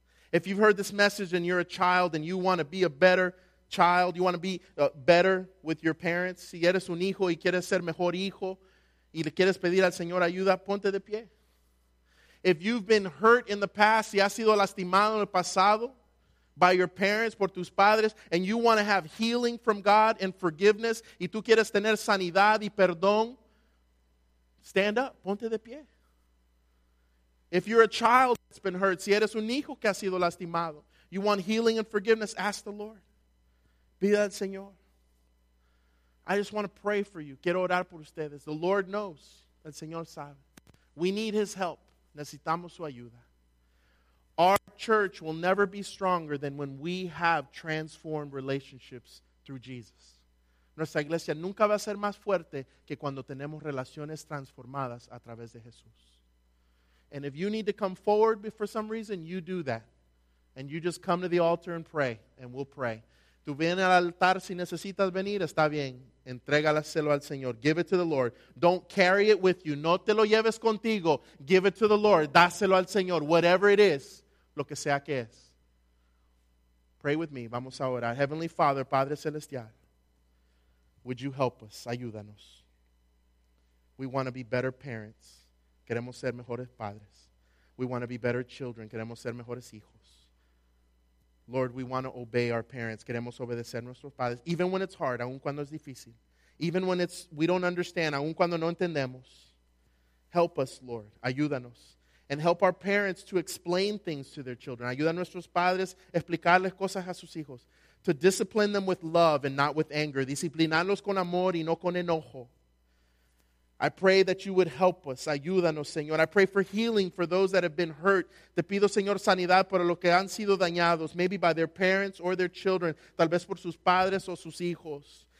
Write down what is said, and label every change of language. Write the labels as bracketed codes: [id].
[en] If you've heard this message and you're a child and you want to be a better child, you want to be better with your parents, [es] si eres un hijo y quieres ser mejor hijo y le quieres pedir al Señor ayuda, ponte de pie. [en] If you've been hurt in the past, [es] si has sido lastimado en el pasado [en] by your parents, [es] por tus padres, [en] and you want to have healing from God and forgiveness, [es] y tú quieres tener sanidad y perdón, [en] stand up, [es] ponte de pie. [en] If you're a child that's been hurt, [es] si eres un hijo que ha sido lastimado, [en] you want healing and forgiveness, ask the Lord. [es] Pide al Señor. [en] I just want to pray for you. [es] Quiero orar por ustedes. [en] The Lord knows. [es] El Señor sabe. [en] We need his help. [es] Necesitamos su ayuda. [en] Our church will never be stronger than when we have transformed relationships through Jesus. [es] Nuestra iglesia nunca va a ser más fuerte que cuando tenemos relaciones transformadas a través de Jesús. [en] And if you need to come forward for some reason, you do that. And you just come to the altar and pray, and we'll pray. [es] Tú vienes al altar si necesitas venir, está bien. Entrégalaselo al Señor. [en] Give it to the Lord. Don't carry it with you. [es] No te lo lleves contigo. [en] Give it to the Lord. [es] Dáselo al Señor. [en] Whatever it is, [es] lo que sea que es. [en] Pray with me. [es] Vamos a orar. [en] Heavenly Father, [es] Padre Celestial, [en] would you help us? [es] Ayúdanos. [en] We want to be better parents. [es] Queremos ser mejores padres. [en] We want to be better children. [es] Queremos ser mejores hijos. [en] Lord, we want to obey our parents. [es] Queremos obedecer nuestros padres. [en] Even when it's hard, [es] aun cuando es difícil. [en] Even when it's we don't understand, [es] aun cuando no entendemos. [en] Help us, Lord. [es] Ayúdanos. [en] And help our parents to explain things to their children. [es] Ayuda a nuestros padres explicarles cosas a sus hijos. [en] To discipline them with love and not with anger. [es] Disciplinarlos con amor y no con enojo. [en] I pray that you would help us. [es] Ayúdanos, Señor. [en] I pray for healing for those that have been hurt. [es] Te pido, Señor, sanidad para los que han sido dañados, [en] maybe by their parents or their children, [es] tal vez por sus padres o sus hijos.